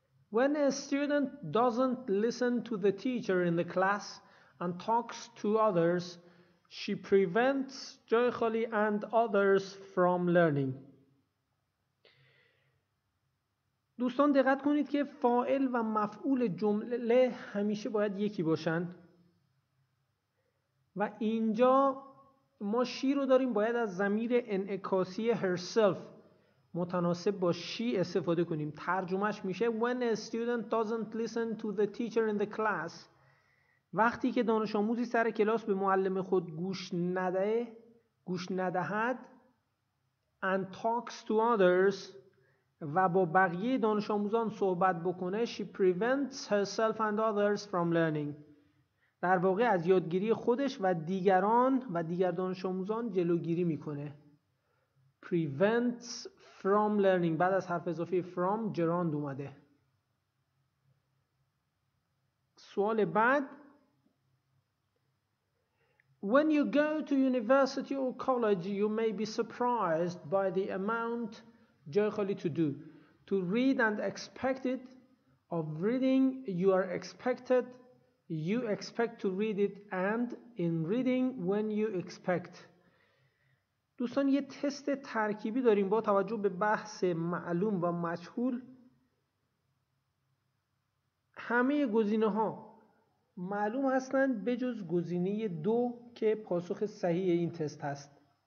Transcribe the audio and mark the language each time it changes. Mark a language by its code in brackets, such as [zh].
[en] When a student doesn't listen to the teacher in the class and talks to others, she prevents [fa] جای خالی [en] and others from learning. [fa] دوستان دقت کنید که فاعل و مفعول جمله همیشه باید یکی باشن. و اینجا ما she رو داریم، باید از ضمیر انعکاسی herself متناسب با شی استفاده کنیم. ترجمهش میشه [en] When a student doesn't listen to the teacher in the class. [fa] وقتی که دانش آموزی سر کلاس به معلم خود گوش ندهد [en] and talks to others [fa] و با بقیه دانش آموزان صحبت بکنه [en] she prevents herself and others from learning. [fa] در واقع از یادگیری خودش و دیگران و دیگر دانش آموزان جلوگیری میکنه. [en] Prevents from learning. [fa] بعد از حرف اضافه from gerund اومده. سوال بعد: [en] When you go to university or college, you may be surprised by the amount [fa] جای خالی [en] to read and expected of reading you are expected. You expect to read it and in reading when you expect. [fa] دوستان یه تست ترکیبی داریم با توجه به بحث معلوم و مجهول. همه گزینه ها معلوم هستند بجز گزینه دو که پاسخ صحیح این تست هست.